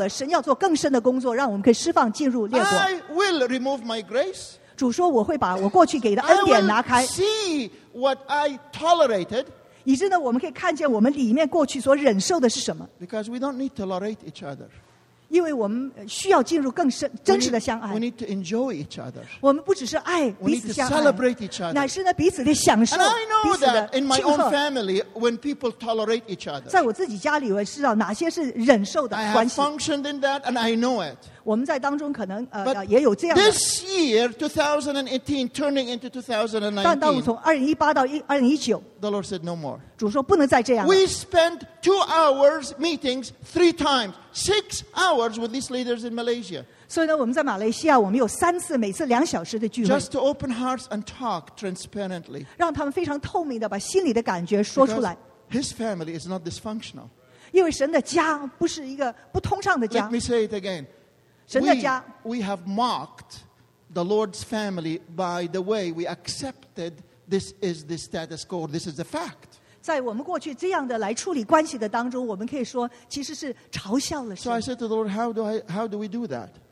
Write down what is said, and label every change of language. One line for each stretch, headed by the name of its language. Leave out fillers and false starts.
Chinese: 不是因为呢我们过去不对，但是时候到了，神要做更深的工作，让我们可以释放进入列国。
English: I will remove my grace.
Chinese: 主说我会把我过去给的恩典拿开。
English: I will see what I tolerated.
Chinese: 以致呢，我们可以看见我们里面过去所忍受的是什么。
English: Because we don't need to tolerate each other.
Chinese: 因为我们需要进入更深真实的相爱。
English: We need to enjoy each other.
Chinese: 我们不只是爱彼此相爱。
English: We need to celebrate each other.
Chinese: 乃是呢彼此的享受，彼此的庆贺。
English: And I know that in my own family, when people tolerate each other,
Chinese: 在我自己家里，我知道哪些是忍受的关系。
English: I have functioned in that, and I know it.
Chinese: 我们在当中可能也有这样的。
English: This year, 2018, turning into 2019.
Chinese: 但当我们从2018到2019,
English: the Lord said no more.
Chinese: 主说不能再这样了。
English: We spent 2 hours meetings three times, 6 hours with these leaders in Malaysia.
Chinese: 所以呢，我们在马来西亚，我们有3次，每次2小时的聚会。
English: Just to open hearts and talk transparently.
Chinese: 让他们非常透明的把心里的感觉说出来。
English: Because his family is not dysfunctional.
Chinese: 因为神的家不是一个不通畅的家。
English: Let me say it again. We have mocked the Lord's family by the way we accepted this is the status quo. This is the fact.
Chinese: 在我们过去这样的来处理关系的当中，我们可以说其实是嘲笑了。
English: So I said to the Lord, how do we do that?